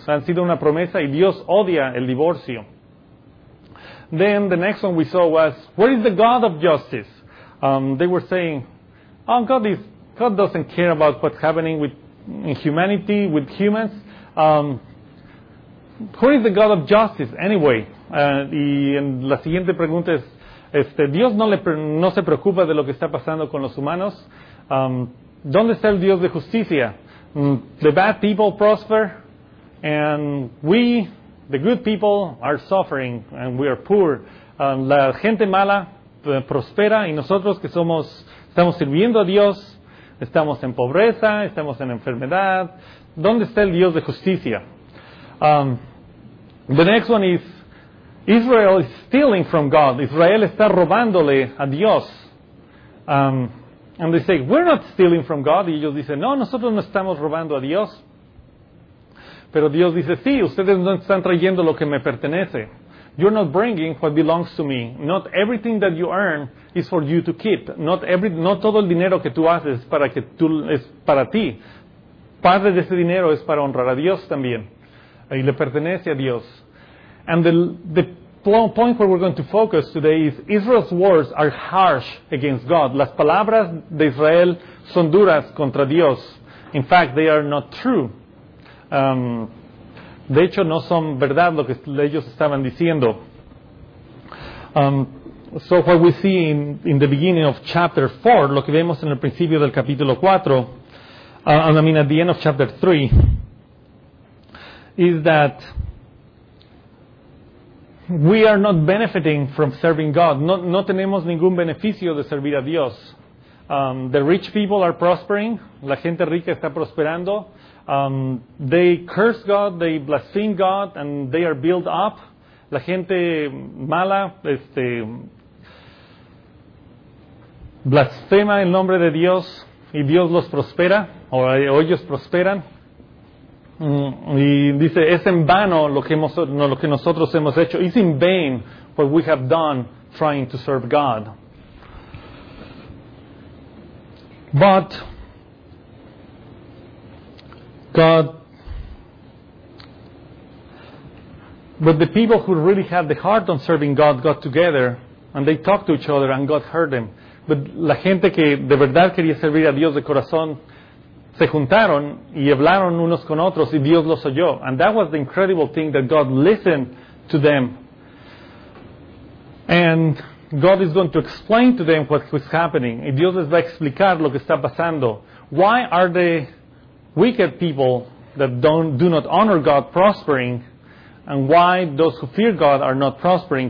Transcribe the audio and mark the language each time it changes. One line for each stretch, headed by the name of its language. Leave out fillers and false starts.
Spanish: Han sido una promesa y Dios odia el divorcio.
English: Then the next one we saw was, where is the God of justice? They were saying, oh, God doesn't care about what's happening in humanity, with humans. Who is the God of justice, anyway?
Spanish: Y en la siguiente pregunta es, Dios no se preocupa de lo que está pasando con los humanos. ¿Dónde está el Dios de justicia?
English: The bad people prosper, and we, the good people, are suffering, and we are poor.
Spanish: La gente mala prospera, y nosotros que somos, estamos sirviendo a Dios, estamos en pobreza, estamos en enfermedad. ¿Dónde está el Dios de justicia?
English: The next one is, Israel is stealing from God.
Spanish: Israel está robándole a Dios.
English: And they say, we're not stealing from God.
Spanish: Y ellos dicen, no, nosotros no estamos robando a Dios. Pero Dios dice, sí, ustedes no están trayendo lo que me pertenece.
English: You're not bringing what belongs to me. Not everything that you earn is for you to keep.
Spanish: No todo el dinero que tú haces para que tú, es para ti. Parte de ese dinero es para honrar a Dios también. Y le pertenece a Dios.
English: And the point where we're going to focus today is Israel's words are harsh against God.
Spanish: Las palabras de Israel son duras contra Dios.
English: In fact, they are not true.
Spanish: De hecho, no son verdad lo que ellos estaban diciendo.
English: So what we see in the beginning of chapter 4,
Spanish: lo que vemos en el principio del capítulo 4,
English: at the end of chapter 3, is that we are not benefiting from serving God.
Spanish: No tenemos ningún beneficio de servir a Dios.
English: The rich people are prospering.
Spanish: La gente rica está prosperando.
English: They curse God, they blaspheme God, and they are built up.
Spanish: La gente mala blasfema el nombre de Dios y Dios los prospera, o ellos prosperan. Y dice, es en vano lo que nosotros hemos hecho.
English: It's in vain what we have done trying to serve God. But God, but the people who really had the heart on serving God got together and they talked to each other and God heard them.
Spanish: But la gente que de verdad quería servir a Dios de corazón se juntaron y hablaron unos con otros y Dios los oyó.
English: And that was the incredible thing, that God listened to them. And God is going to explain to them what is happening.
Spanish: Y Dios les va a explicar lo que está pasando.
English: Why are the wicked people that do not honor God prospering? And why those who fear God are not prospering?